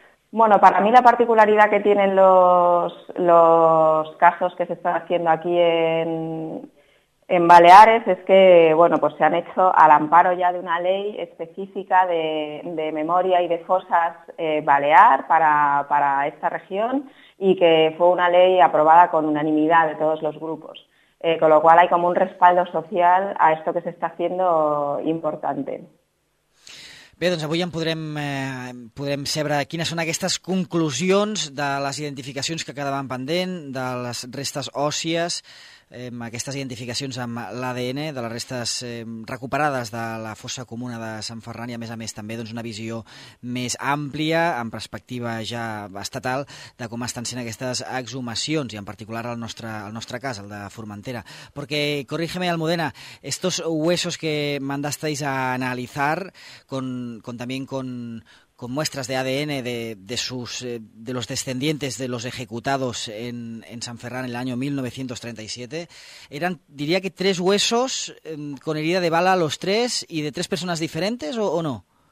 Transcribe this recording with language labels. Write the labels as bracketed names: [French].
[Spanish] Bueno, para mí la particularidad que tienen los casos que se están haciendo aquí en Baleares es que, bueno, pues se han hecho al amparo ya de una ley específica de memoria y de fosas balear para esta región y que fue una ley aprobada con unanimidad de todos los grupos, con lo cual hay como un respaldo social a esto que se está haciendo importante. [Catalan] Bé, doncs avui podrem saber quines són aquestes conclusions de les identificacions que quedaven pendent, de les restes òssies, aquestes identificacions amb l'ADN, de les restes recuperades de la fossa comuna de Sant Ferran i, a més també doncs, una visió més àmplia, en perspectiva ja estatal, de com estan sent aquestes exhumacions, i en particular el nostre cas, el de Formentera. [Spanish] Perquè, corrígeme, Almudena, estos huesos que mandasteis a analizar, con también con con muestras de ADN de los descendientes de los ejecutados en San Ferrán en el año 1937. Eran, diría que, tres huesos con herida de bala los tres y de tres personas diferentes, ¿o no?